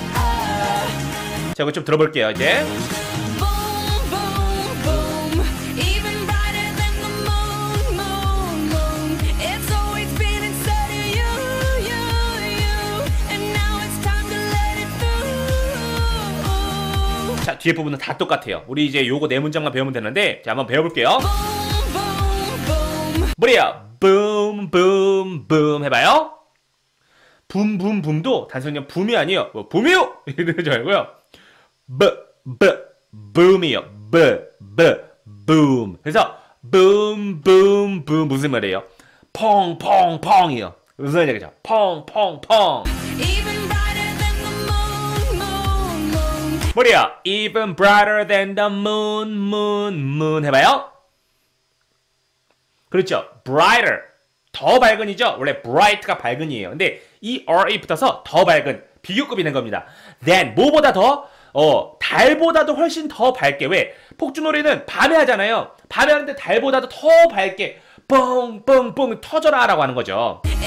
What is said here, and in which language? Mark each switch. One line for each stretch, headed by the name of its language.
English: Let's listen to it now. Boom, boom, boom. Even brighter than the moon, moon, moon. It's always been inside of you, you, you. And now it's time to let it through.
Korean: 자, 뒤에 부분은 다 똑같아요. 우리 이제 요거 네 문장만 배우면 되는데, 자, 한번 배워볼게요.
English: Boom, boom, boom.
Korean: 뭐래요?
English: Boom, boom, boom.
Korean: 해봐요. 붐, 붐, 붐도 단순히 붐이 아니에요. 뭐, 붐이요! 이러지 말고요. B, B, boom이요.
English: B, B, boom.
Korean: 그래서,
English: boom, boom, boom.
Korean: 무슨 말이에요? 펑, 펑, 펑이요. 무슨 말이죠? 펑, 펑, 펑.
English: Even brighter than the moon, moon, moon.
Korean: 뭐래요?
English: Even brighter than the moon, moon, moon.
Korean: 해봐요. 그렇죠. Brighter. 더 밝은이죠? 원래 bright가 밝은이에요. 근데, ER에 붙어서 더 밝은. 비교급이 된 겁니다. Then, 뭐보다 더? 달보다도 훨씬 더 밝게. 왜? 폭주놀이는 밤에 하잖아요. 밤에 하는데 달보다도 더 밝게 뻥뻥뻥 터져라 라고 하는 거죠.